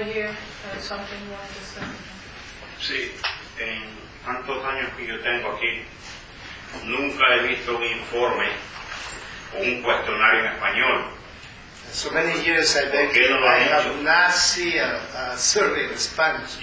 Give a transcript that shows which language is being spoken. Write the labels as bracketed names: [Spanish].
[English] Okay, this gentleman over here has something more to say. [Spanish] Sí, en tantos años que yo tengo aquí, nunca he visto un informe o un cuestionario en español. [English] So many years I've been here, I have not seen a survey in Spanish.